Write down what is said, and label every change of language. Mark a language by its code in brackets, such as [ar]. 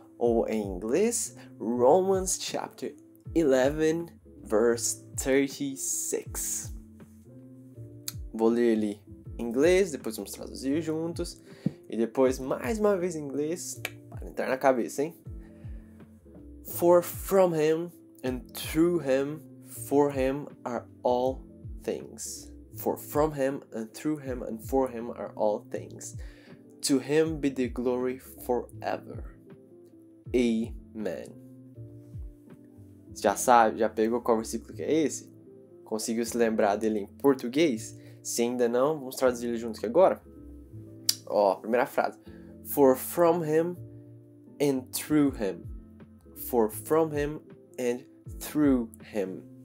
[en] Ou em inglês, Romans chapter 11, verse 36. [pt] Vou ler ele em inglês, depois vamos traduzir juntos. E depois, mais uma vez em inglês, para entrar na cabeça, hein? [en] For from him, and through him, for him are all things. For from him, and through him, and for him are all things. To him be the glory forever. Amen. [pt] Já sabe, já pegou qual versículo que é esse? Conseguiu se lembrar dele em português? Se ainda não, vamos traduzir ele junto aqui agora. Ó, primeira frase. [en] For from him and through him. For from him and through him.